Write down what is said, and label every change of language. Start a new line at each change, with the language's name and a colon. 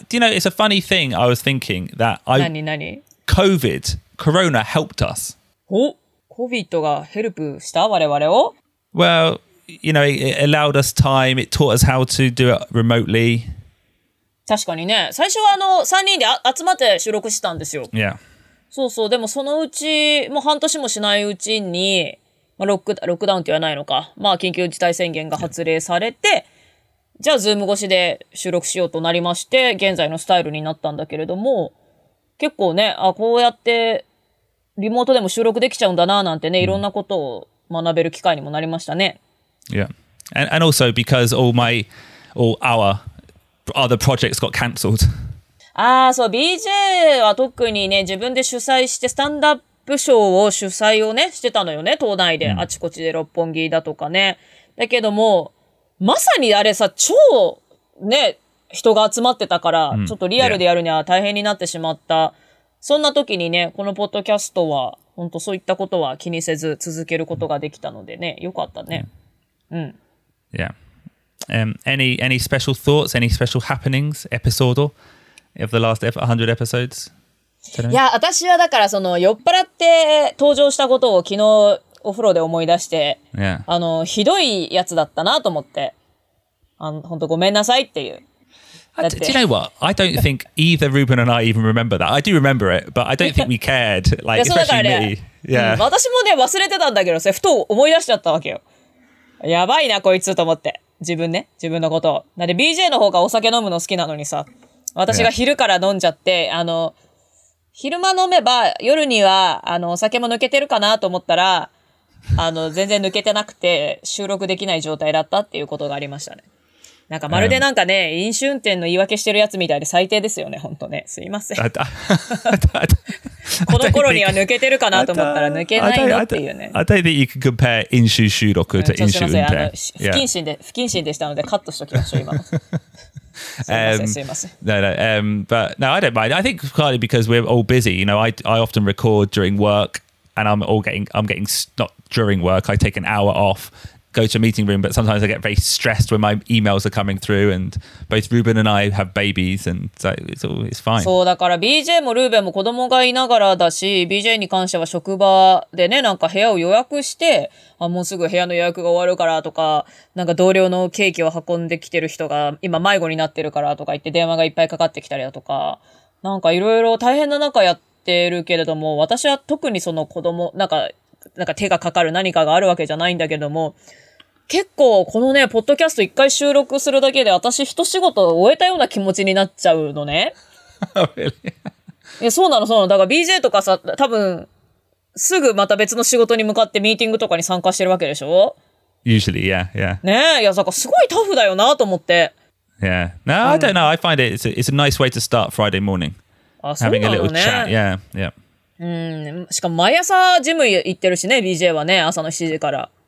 English: Do you know, it's a funny thing I was thinking that Corona helped us.
Japanese: お、COVID がヘルプした我々を?
English: Well, you know, it allowed us time. It taught us how to do it remotely.
Japanese: 確かにね。最初はあの、3人で集まって収録してたんですよ。
English: Yeah.
Japanese: そうそう、でもそのうち、もう半年もしないうちに、まあ、ロックダウンって言わないのか、まあ緊急事態宣言が発令されて、じゃあズーム越しで収録しようとなりまして、現在のスタイルになったんだけれども、結構ね、あ、こうやってリモートでも収録できちゃうんだななんてね、いろんなことを学べる機会にもなりましたね。
English: Yeah. And also because all our other projects got cancelled.
Japanese: ああ、そう、BJ は特にね、自分で主催してスタンダッププショーを主催をねしてたのよね、東大で、あちこちで六本木だとかね。だけどもまさにあれさ、超ね人が集まってたから、うん、ちょっとリアルでやるには大変になってしまった、そんな時にね、このポッドキャストは本当そういったことは気にせず続けることができたのでね、よかったね。うん。
English: Yeah. Any special thoughts? Any special happenings? Episode of the last 100 episodes?
Japanese: いや、私はだからその酔っ払って登場したことを昨日お風呂で思い出して、
English: yeah.
Japanese: あのひどいやつだったなと思って、本当ごめんなさいっていう。
English: Do you know what? I don't think either Ruben and I even remember that. I do remember it, but I don't think we cared. Like, especially me. Yeah.
Japanese: 私もね、忘れてたんだけどさ、ふと思い出しちゃったわけよ。やばいな、こいつと思って。自分ね、自分のことを。なんで BJ の方がお酒飲むの好きなのにさ、私が昼から飲んじゃって、yeah. 昼間飲めば夜にはお酒も抜けてるかなと思ったら、全然抜けてなくて収録できない状態だったっていうことがありましたね。なんかまるでなんかね、飲酒運転の言い訳してるやつみたいで最低ですよね、本当ね。すいません。この頃には抜けてるかなと思ったら抜けないなっていうね。
English: I don't think you can compare
Japanese: 飲酒収録と飲酒運転。不謹慎でしたのでカットしときましょう、今。
English: But no, I don't mind. I think partly because we're all busy. You know, I often record during work and I'm getting, not during work, I take an hour off. Go to a meeting room, but sometimes I get very stressed when my emails are coming through. And both Ruben and I have babies, and so it's fine.
Japanese: そうだから BJ もルーベンも子供がいながらだし、BJ に関しては職場でね、なんか部屋を予約して、あもうすぐ部屋の予約が終わるからとか、なんか同僚のケーキを運んできてる人が今迷子になってるからとか言って電話がいっぱいかかってきたりだとか、なんかいろいろ大変な中やってるけれども、私は特にその子供なんか手がかかる何かがあるわけじゃないんだけども、結構このねポッドキャスト一回収録するだけで私一仕事終えたような気持ちになっちゃうのね。
English: Really?
Japanese: いやそうなのそうなの。だから BJ とかさ、多分すぐまた別の仕事に向かってミーティングとかに参加してるわけでしょ。
English: Usually, yeah, yeah.
Japanese: ねえ、いやなんかすごいタフだよなと思って。
English: Yeah, no, I don't know. I find it's a nice way to start Friday morning.
Japanese: あ、そうなのね。
English: Having a little chat, yeah, yeah.
Japanese: うん、しかも毎朝ジム行ってるしね、BJ はね、朝の7時から。